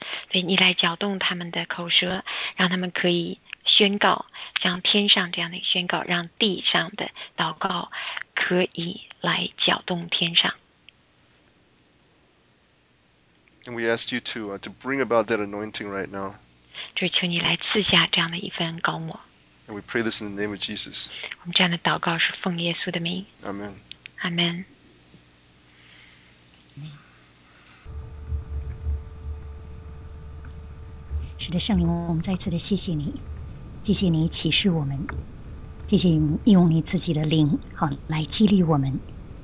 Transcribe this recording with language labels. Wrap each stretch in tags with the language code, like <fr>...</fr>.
<zh>对，你来搅动他们的口舌，让他们可以宣告，像天上这样的宣告，让地上的祷告可以来搅动天上。</zh> <en>And we ask you to bring about that anointing right now.</en> <zh>就求你来赐下这样的一份膏抹。</zh> <en>And we pray this in the name of Jesus.</en> <zh>我们这样的祷告是奉耶稣的名。</zh> <en>Amen. Amen.</en> <zh>是的，圣灵，我们再次的谢谢你，谢谢你启示我们，谢谢你用你自己的灵好来激励我们。</zh>